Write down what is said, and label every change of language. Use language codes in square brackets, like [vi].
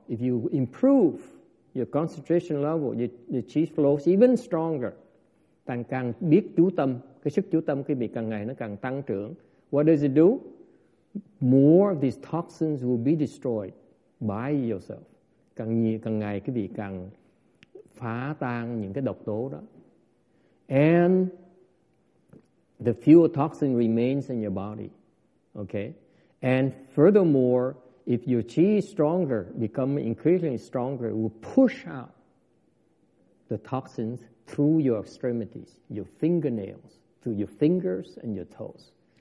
[en] If you improve your concentration level, the chi flows even stronger. [vi] Càng càng biết chú tâm, cái sức chú tâm quý vị càng ngày nó càng tăng trưởng. [en] What does it do? More of these toxins will be destroyed by yourself. [vi] Càng nhiều, càng ngày quý vị càng phá tan những cái độc tố đó. [en] And the fewer toxin remains in your body. Okay? And furthermore, if your chi is stronger, become increasingly stronger, it will push out the toxins through your extremities, your fingernails, through your fingers and your toes.